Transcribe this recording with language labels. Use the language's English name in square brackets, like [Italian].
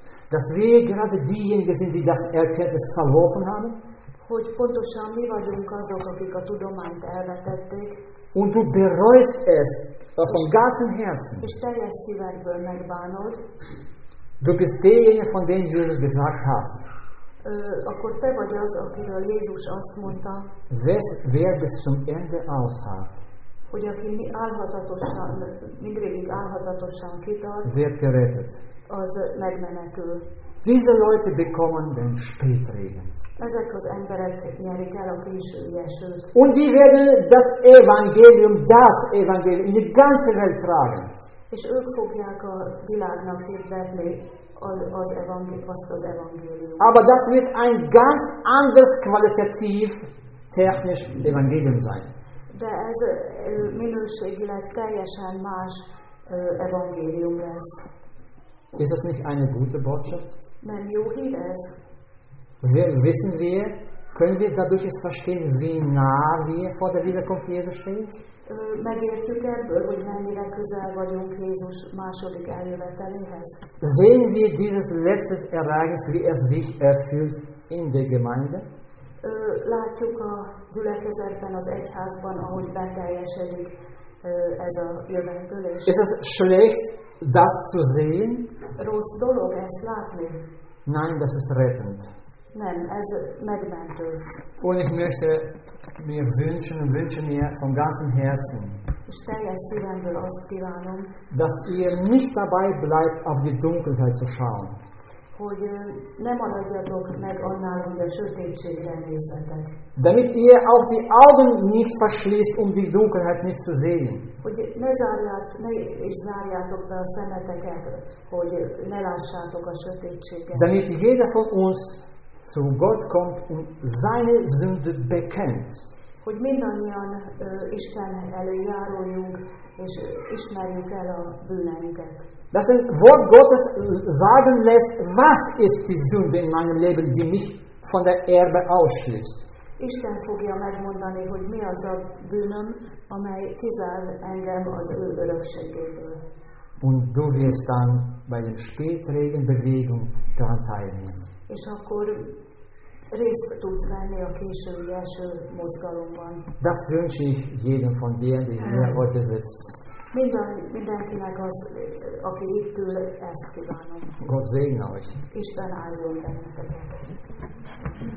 [German] Dass wir gerade diejenigen sind, die das Erkenntnis verloren haben. [Hungarian] Hogy pontosan mi vagyunk azok, akik a tudományt elvetették. [German] Und du bereust es von ganzem Herzen. [Hungarian] És teljes szívedből megbánod. [German] Du bist derjenige, von dem du es gesagt hast. [Hungarian] Akkor te vagy az, akiről Jézus azt mondta, [German] wer bis zum Ende aushalt, [Hungarian] hogy aki állhatatosan, mindvégig állhatatosan kitart, [German] wird gerettet, [Hungarian] az megmenekül. [German] Diese Leute bekommen den Spätregen. [Hungarian] Ezek az emberek nyerik el a késői esőt. [German] Und die werden das Evangelium in die ganze Welt tragen. [Hungarian] És ők fogják a világnak hirdetni az evangélium, azt az evangélium. [German] Aber das wird ein ganz anderes qualitativ technisch Evangelium sein. [Hungarian] De ez minőségileg teljesen más evangélium lesz. [German] Ist das nicht eine gute Botschaft? [Hungarian] Nem jó hír ez. [German] Wissen wir, können wir dadurch es verstehen, wie nah wir vor der Wiederkunft Jesu stehen? [Hungarian] Megértjük ebből, hogy mennyire közel vagyunk Jézus második eljöveteléhez. [German] Sehen wir dieses letztes Ereignis, wie es sich erfüllt in der Gemeinde? [Hungarian] Látjuk a gyülekezetben, az egyházban, ahogy beteljesedik ez a jövendőlés. [German] Ist es schlecht, das zu sehen? [Hungarian] Rossz dolog ezt látni? [German] Nein, das ist rettend. [Hungarian] Nem, ez megmentő. [German] Und ich möchte mir wünschen mir von ganzem Herzen, dass ihr nicht dabei bleibt, auf die Dunkelheit zu schauen. [Hungarian] Hogy ne maradjatok meg annál, hogy a sötétségre nézzetek. [German] Damit ihr auch die Augen nicht verschließt, um die Dunkelheit nicht zu sehen. [Hungarian] Hogy ne zárját, ne is zárjátok be a szemeteket, hogy ne lássátok a sötétséget. [German] Damit jeder von uns zu Gott kommt und seine Sünde bekennt. [Hungarian] Hogy mindannyian Isten elé járuljunk, és ismerjük el a bűneinket. [German] Dass ein Wort Gottes sagen lässt, was ist die Sünde in meinem Leben, die mich von der Erbe ausschließt. [Hungarian] Isten fogja megmondani, hogy mi az a bűnöm, amely kizár engem az ő örökségéből. [German] Und du wirst dann bei dem Spätregenbewegung daran teilnehmen. [Hungarian] És akkor részt tudsz venni a késői első mozgalomban. [German] Das wünsche ich jedem von dir, der hier heute sitzt. [Hungarian] Mindenkinek az, aki itt ül, ezt kívánom. [German] Gott segne euch. [Hungarian] Isten áldjon benneteket.